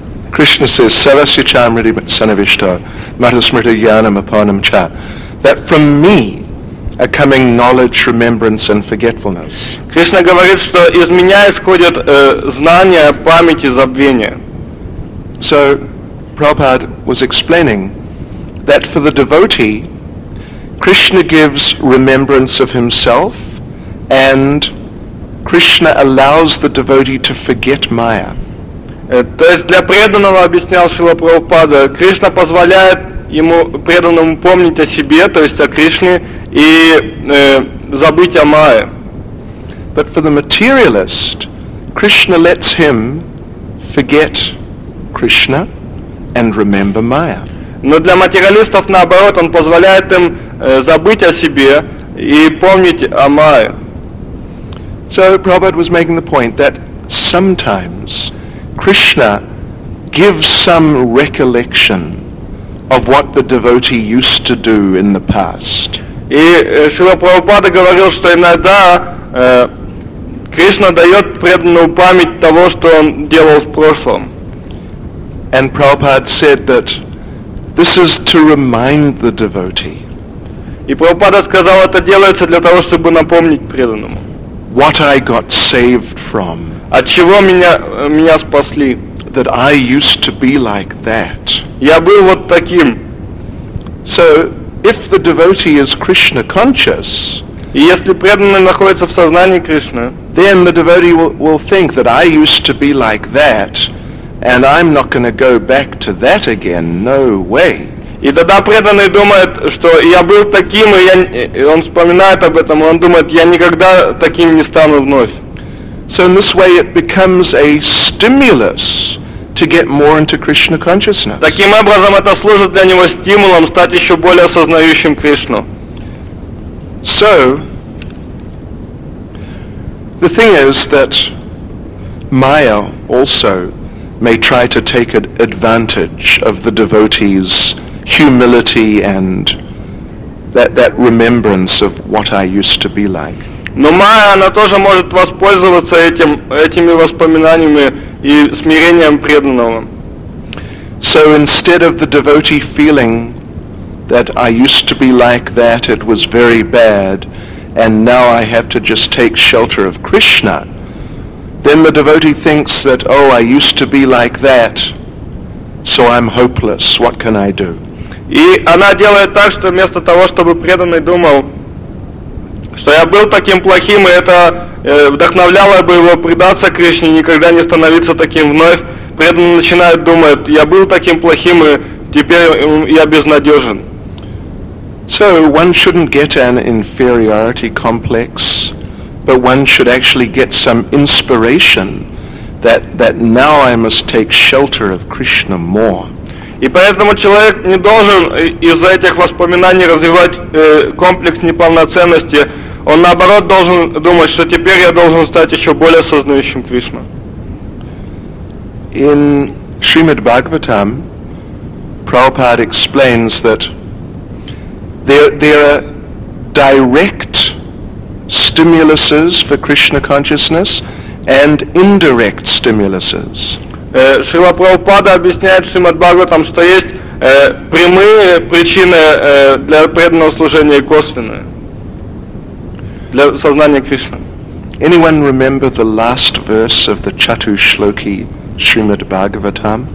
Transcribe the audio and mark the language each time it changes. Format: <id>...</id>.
<en>Krishna says,</en> <sa>Sarasya Chamriti Sanavishto Matasmriti Jnanam Aponam Cha,</sa> <en>that from me are coming knowledge, remembrance and forgetfulness.</en> <ru>Krishna говорит, что из меня исходят знания, память и забвение.</ru> <en>So, Prabhupada was explaining that for the devotee, Krishna gives remembrance of himself and Krishna allows the devotee to forget Maya.</en> <ru>То есть для преданного, объяснял Шрила Прабхупада, Кришна позволяет ему, преданному, помнить о себе, то есть о Кришне, и забыть о Майе.</ru> <en>But for the materialist, Krishna lets him forget Krishna and remember Maya.</en> <ru>Но для материалистов, наоборот, он позволяет им забыть о себе и помнить о Майе.</ru> <en>So Prabhupada was making the point that sometimes Krishna gives some recollection of what the devotee used to do in the past.</en> <ru>И Шрила Прабхупада говорил, что иногда Кришна дает преданному память того, что он делал в прошлом.</ru> <en>And Prabhupada said that this is to remind the devotee.</en> <ru>И Прабхупада сказал, это делается для того, чтобы напомнить преданному.</ru> <en>What I got saved from.</en> <ru>От чего меня спасли.</ru> <en>That I used to be like that.</en> <ru>Я был вот таким.</ru> <en>So, if the devotee is Krishna conscious,</en> <ru>и если преданный находится в сознании Кришны,</ru> <en>then the devotee will think that I used to be like that, and I'm not going to go back to that again. No way.</en> <ru>И тогда преданный думает, что я был таким, и он вспоминает об этом, и он думает, я никогда таким не стану вновь.</ru> <en>So in this way it becomes a stimulus to get more into Krishna consciousness.</en> <ru>Таким образом это служит для него стимулом стать еще более осознающим Кришну.</ru> <en>So, the thing is that Maya also may try to take advantage of the devotee's humility and that remembrance of what I used to be like.</en> <ru>Но Майя, она тоже может воспользоваться этими воспоминаниями и смирением преданного.</ru> <en>So instead of the devotee feeling that I used to be like that, it was very bad, and now I have to just take shelter of Krishna, then the devotee thinks that, oh, I used to be like that, so I'm hopeless, what can I do?</en> <ru>И она делает так, что вместо того, чтобы преданный думал, что я был таким плохим, и это вдохновляло бы его предаться Кришне, никогда не становиться таким вновь, преданный начинает думать, я был таким плохим, и теперь я безнадежен.</ru> <en>So one shouldn't get an inferiority complex, but one should actually get some inspiration that now I must take shelter of Krishna more.</en> <ru>И поэтому человек не должен из-за этих воспоминаний развивать комплекс неполноценности. Он наоборот должен думать, что теперь я должен стать еще более осознающим Кришну.</ru> <en>In Srimad Bhagavatam, Prabhupada explains that there are direct stimuluses for Krishna consciousness and indirect stimuluses.</en> <ru>Шрила Прабхупада объясняет Шримад Бхагаватам, что есть прямые причины для преданного служения и косвенные для сознания Кришны.</ru> <en>Anyone remember the last verse of the Chatushloki Shrimad Bhagavatam?</en>